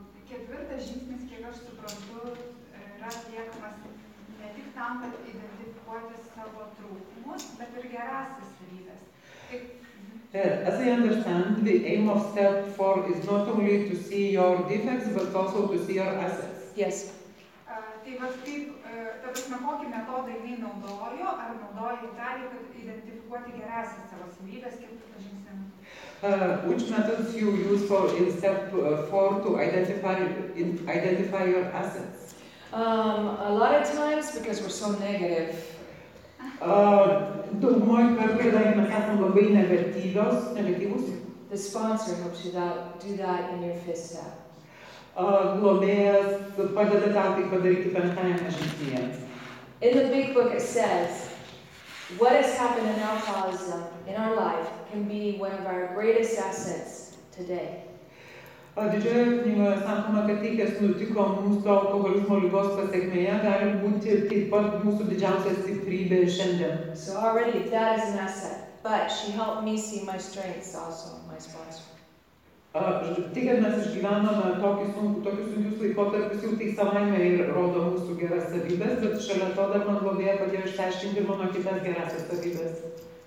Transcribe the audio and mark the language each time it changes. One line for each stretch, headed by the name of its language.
Lithuanian: Ketvirtas žingsnis, kiek aš suprantu, yra atliekamas ne tik tam, kad identifikuoti savo trūkumus, bet ir gerasis savybės.
English: As I understand, the aim of step 4 is not only to see your defects, but also to see your assets. Yes.
Lithuanian: Tai va, kaip, ta prasme, kokį metodą jį naudojo, ar naudojo italiją, kad identifikuoti gerąsias savo savybės, kaip tu pažingsime?
English: Which methods you use for in step 4 to identify your assets? A lot of times, because we're so negative.
Lithuanian: Daugumoje kartų, kadangi mes esam labai negatyvus.
English: The sponsor helps you that, do that in your fifth step.
Lithuanian: Globėjas padeda tam tai padaryti penktajame žingsnyje.
English: In the big book it says, what has happened in alcoholism in our life can be one of our greatest assets today.
Lithuanian: Didžioje knygoje sakoma, kad tai, kas nutiko mūsų alkoholizmo lygos pasekmėje, gali būti taip pat mūsų didžiausias stiprybė šiandien.
English: So already that is an asset, but she helped me see my strengths also, my sponsor.
Lithuanian: Tik, kad mes išgyvename tokius sunkius laikotarpius, jau tai savaime ir rodo mūsų geras savybės, bet šalia to dar man globėja padėjo išsiaiškinti ir mano kitas gerasias savybės.